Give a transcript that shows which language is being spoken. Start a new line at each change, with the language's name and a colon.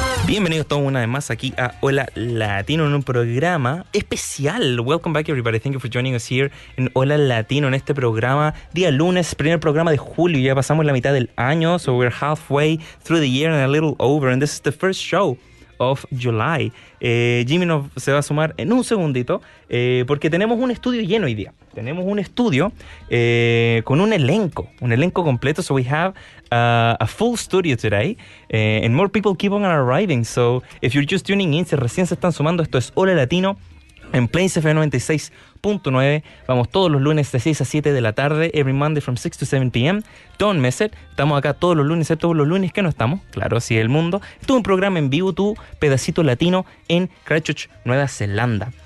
Spanish: Bienvenidos todos una vez más aquí a Hola Latino en un programa especial.
English: Welcome back everybody, thank you for joining us here en Hola Latino
Spanish: en este programa. Día lunes, primer programa de julio, ya pasamos la mitad del año.
English: So we're halfway through the year and a little over, and this is the first show of July.
Spanish: Jimmy nos se va a sumar en un segundito, porque tenemos un estudio lleno hoy día. Tenemos un estudio con un elenco completo.
English: So we have a full studio today, and more people keep on arriving. So if you're just tuning in,
Spanish: si recién se están sumando, esto es Hola Latino en Plains FM 96.9. Vamos todos los lunes de 6 a 7 de la tarde,
English: every Monday from 6 to 7 p.m. Don't miss it.
Spanish: Estamos acá todos los lunes, excepto los lunes que no estamos, claro, así es el mundo. Esto es un programa en vivo, tu pedacito latino en Christchurch, Nueva Zelanda.